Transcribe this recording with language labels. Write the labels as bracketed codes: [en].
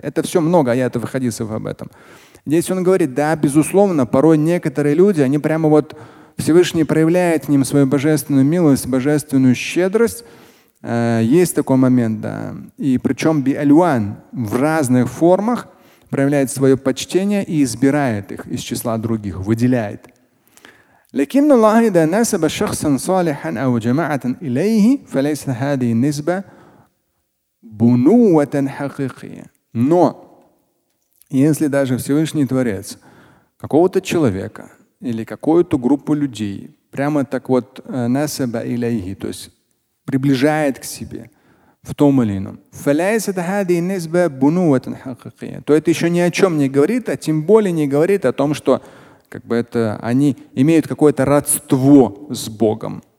[ru] Это все много, а я это в хадисах об этом. Здесь он говорит, да, безусловно, порой некоторые люди, они прямо вот Всевышний проявляет к ним свою божественную милость, божественную щедрость. Есть такой момент, да. И причем би-альван в разных формах проявляет свое почтение и избирает их из числа других, выделяет. [ar] لكن الله إذا نسب شخصا صالحا أو جماعة إليه فليس هذه النسبة بنوة حقيقية. [ru] Но если даже Всевышний Творец какого-то человека или какую-то группу людей прямо так вот [ar] نسب إليه, [ru] то есть приближает к себе в том или ином, [ar] فليس هذه النسبة بنوة حقيقية, [ru] то это еще ни о чем не говорит, а тем более не говорит о том, что как бы это они имеют какое-то родство с Богом.